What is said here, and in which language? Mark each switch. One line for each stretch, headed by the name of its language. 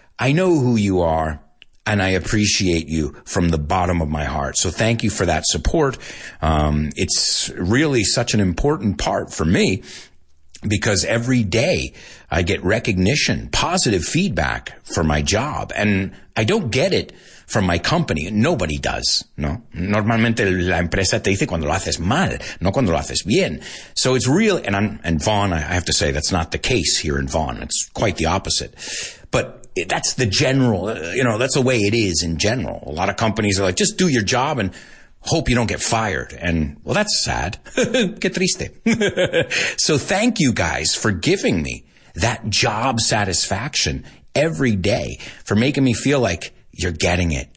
English: I know who you are, and I appreciate you from the bottom of my heart. So thank you for that support. It's really such an important part for me because every day I get recognition, positive feedback for my job, and I don't get it from my company. Nobody does, ¿no?
Spanish: Normalmente la empresa te dice cuando lo haces mal, no cuando lo haces bien.
English: So it's real, and Vaughn, I have to say that's not the case here in Vaughn. It's quite the opposite. But that's the general, you know, that's the way it is in general. A lot of companies are like, just do your job and hope you don't get fired. And, well, that's sad.
Spanish: Qué triste.
English: So thank you guys for giving me that job satisfaction every day, for making me feel like you're getting it.